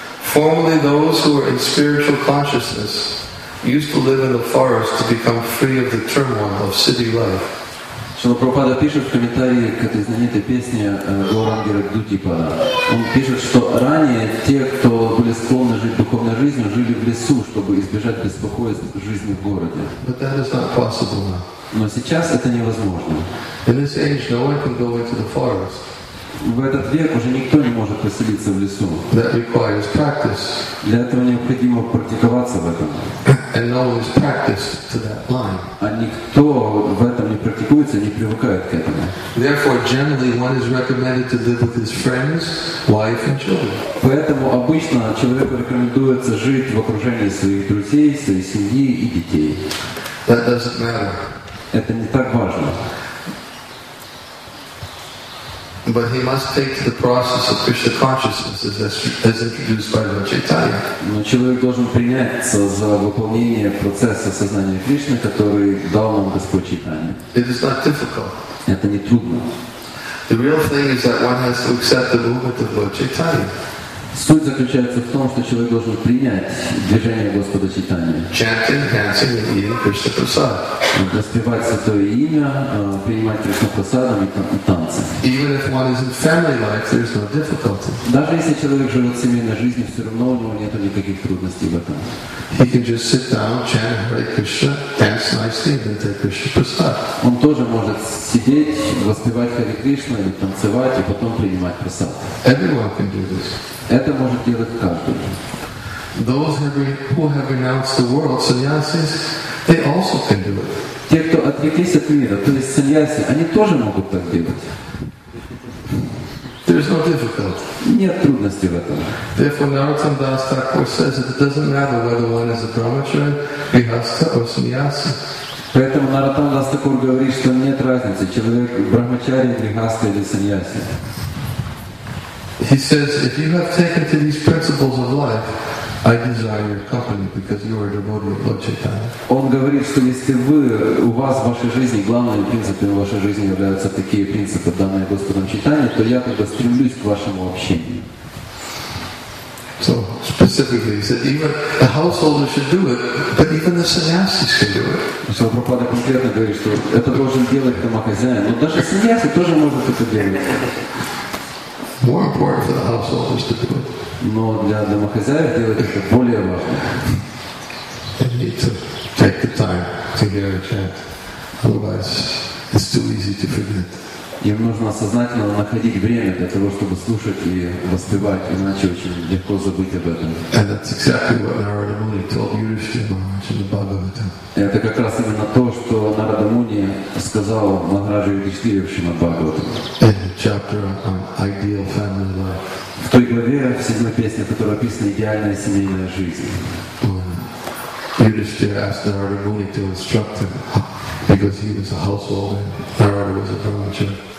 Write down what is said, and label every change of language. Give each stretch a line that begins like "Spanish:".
English: formerly those who were in spiritual consciousness used to live in the forest to become free of the turmoil of city life.
Russian: Шрила Прабхупада пишет в комментарии к этой знаменитой песне Гаурангера Дутипада. Он пишет, что ранее те, кто были склонны жить духовной жизнью, жили в лесу, чтобы избежать беспокойств жизни в городе.
English: But that is not possible now.
Russian: Но сейчас это невозможно.
English: In this age, no one can go into the forest.
Russian: В этот век уже никто не может поселиться в лесу.
English: That requires practice.
Russian: Для этого необходимо практиковаться в этом.
English: And no one is practiced to that line.
Russian: А никто в этом не практикуется, не привыкает к этому.
English: Therefore, generally, one is recommended to live with his friends, wife, and children.
Russian: Поэтому обычно человеку рекомендуется жить в окружении своих друзей, своей семьи и детей.
English: That doesn't matter.
Russian: Это не так важно.
English: But he must take to the process of Krishna consciousness as introduced by Lord Chaitanya.
Russian: Но человек должен приняться за выполнение процесса сознания Кришны, который дал нам Господь Чайтанья.
English: It is not difficult.
Russian: Это не трудно.
English: The real thing is that one has to accept the movement of Lord Chaitanya.
Russian: Суть заключается в том, что человек должен принять движение Господа Читания.
English: Chanting, dancing, and eating Krishna Prasad.
Russian: Воспевать Святое Имя, принимать Кришна Прасадом и танцы.
English: Even if one is in family life, there is no difficulty.
Russian: Даже если человек живет семейной жизнью, все равно у него нет никаких трудностей в этом.
English: He can just sit down, chant Hare Krishna, dance nicely, and then take Krishna Prasad.
Russian: Он тоже может сидеть, воспевать Хари Кришна или танцевать, и потом принимать Прасад.
English: Everyone can do this.
Russian: Это может делать каждый.
English: Those who have renounced the world, sannyasis, they also can do it.
Russian: Те, кто отреклись от мира, то есть саньяси, они тоже могут так делать.
English: There is no difficulty.
Russian: Нет трудности в этом.
English: Therefore, Narottam Das Thakur says that it doesn't matter whether one is a brahmachari, grihastha, or sannyasi.
Russian: Поэтому Narottam Das Thakur говорит, что нет разницы, человек брахмачари, грихастха или саньяси.
English: He says, if you have taken to these principles of life, I desire your company because you are a devotee of Lord Chaitanya.
Russian: Он говорит, что если вы, у вас в вашей жизни, главными принципами вашей жизни являются такие принципы, данные Господом Чайтанья, то я тогда стремлюсь к вашему общению.
English: So, specifically, he said, even the householder should do it, but even the sannyasis can do it.
Russian: So, Prabhupada конкретно говорит, что это должен делать домохозяин, но даже саньяси тоже может это делать.
English: More important for the householders to do it.
Russian: Но для домохозяев делать это более важно.
English: They need to take the time to hear a chant. Otherwise, it's too easy to forget.
Russian: Им нужно осознательно находить время для того, чтобы слушать и воспевать, иначе очень легко забыть об этом.
English: And that's exactly what Narada Muni told Yudhishthira Maharaj in the Bhagavatam.
Russian: Это как раз именно то, что Нарада Муни сказал Махараджу Юдхиштхире в Шримад Бхагаватам.
English: In the chapter on ideal family life.
Russian: В той главе, в седьмой песне, в которой описана идеальная семейная жизнь.
English: Yudhishthira asked Narada Muni to instruct him. Because he was a householder, Narada was a brahmachari.